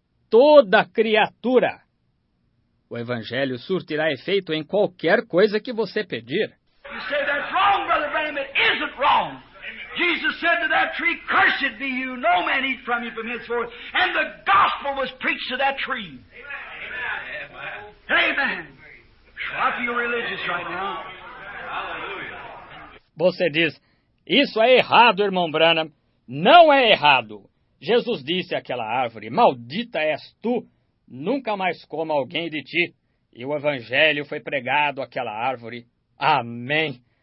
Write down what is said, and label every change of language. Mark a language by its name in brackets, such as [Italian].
[Portuguese] Toda criatura! O Evangelho surtirá efeito em qualquer coisa que você pedir. [English] You say that's wrong, Brother Branham. It isn't wrong. Jesus said to that tree, cursed be you, no man eat from you from henceforth. And the gospel was preached to that tree. Amen. Amen. Amen. I feel religious right now. Hallelujah. [Portuguese] Você diz, isso é errado, irmão Branham. Não é errado. Jesus disse àquela árvore, maldita és tu, nunca mais coma alguém de ti. E o Evangelho foi pregado àquela árvore. Amém.